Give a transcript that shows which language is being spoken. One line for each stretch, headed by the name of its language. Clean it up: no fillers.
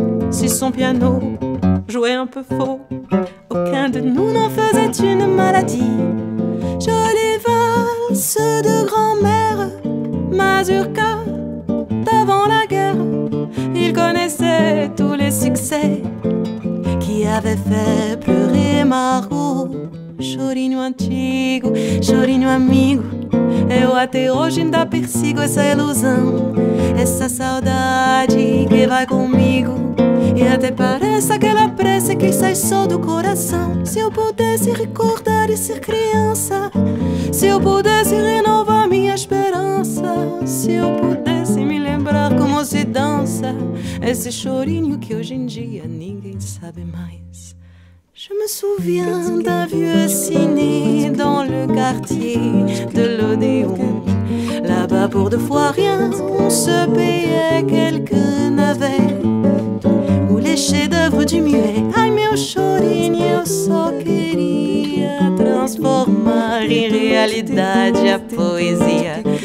French: Si son piano jouait un peu faux, aucun de nous n'en faisait une maladie. Jolies valses de grand-mère, mazurka d'avant la guerre. Il connaissait tous les succès qui avaient fait pleurer Margot.
Portuguese: Chorinho antigo, chorinho amigo, eu até hoje ainda persigo essa ilusão, essa saudade que vai comigo. E até parece aquela prece que sai só do coração. Se eu pudesse recordar e ser criança, se eu pudesse renovar minha esperança, se eu pudesse me lembrar como se dança esse chorinho que hoje em dia ninguém sabe mais.
French: Je me souviens d'un vieux ciné dans le quartier de l'Odéon. Là-bas, pour deux fois rien, on se payait quelques navets. Où les chefs-d'œuvre du muet,
Portuguese: ai meu chorinho, eu só queria transformar em realidade a poesia.